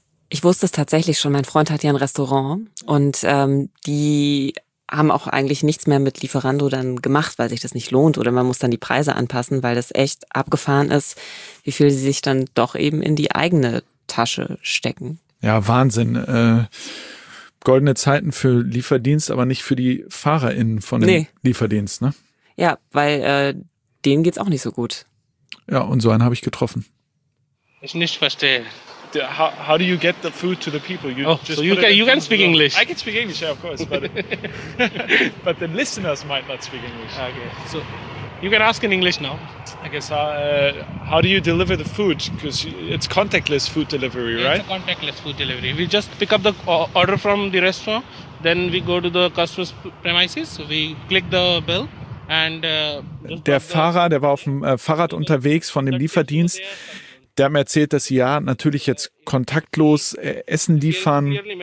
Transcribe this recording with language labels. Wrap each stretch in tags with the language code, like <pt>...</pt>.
<de>Ich wusste es tatsächlich schon, mein Freund hat ja ein Restaurant und die haben auch eigentlich nichts mehr mit Lieferando dann gemacht, weil sich das nicht lohnt oder man muss dann die Preise anpassen, weil das echt abgefahren ist, wie viel sie sich dann doch eben in die eigene Tasche stecken. Ja, Wahnsinn. Goldene Zeiten für Lieferdienst, aber nicht für die FahrerInnen von dem Lieferdienst, ne? Ja, weil denen geht's auch nicht so gut. Ja, und so einen habe ich getroffen. Ich nicht verstehe.</de> <en>How do you get the food to the people? You can speak English. I can speak English, yeah, of course, but the listeners might not speak English. Okay, so you can ask in English now. I guess how do you deliver the food? Because it's contactless food delivery, yeah, right? It's a contactless food delivery. We just pick up the order from the restaurant, then we go to the customer's premises. So we click the bell. And</en> <de>der Fahrer, der war auf dem Fahrrad unterwegs von dem Lieferdienst. Der hat mir erzählt, dass sie ja natürlich jetzt kontaktlos Essen liefern.</de>